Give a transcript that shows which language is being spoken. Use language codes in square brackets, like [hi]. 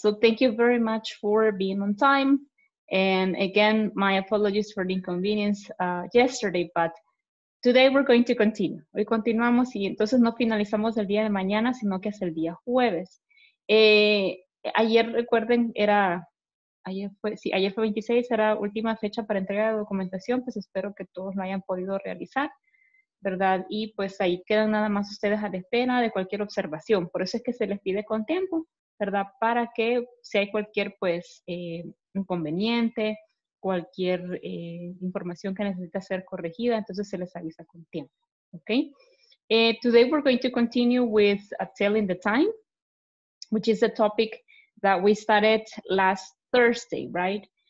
[en] So, thank you very much for being on time. And again, my apologies for the inconvenience yesterday, but today we're going to continue. [es] Hoy continuamos y entonces no finalizamos el día de mañana, sino que es el día jueves. Ayer, recuerden, era... Ayer fue 26, era última fecha para entrega de documentación. Pues espero que todos lo hayan podido realizar, ¿verdad? Y pues ahí quedan nada más ustedes a la espera de cualquier observación. Por eso es que se les pide con tiempo, ¿verdad? Para que si hay cualquier, pues, inconveniente, cualquier información que necesita ser corregida, entonces se les avisa con tiempo, ¿ok? [en] Today we're going to continue with a telling the time, which is a topic that we started last Thursday, right?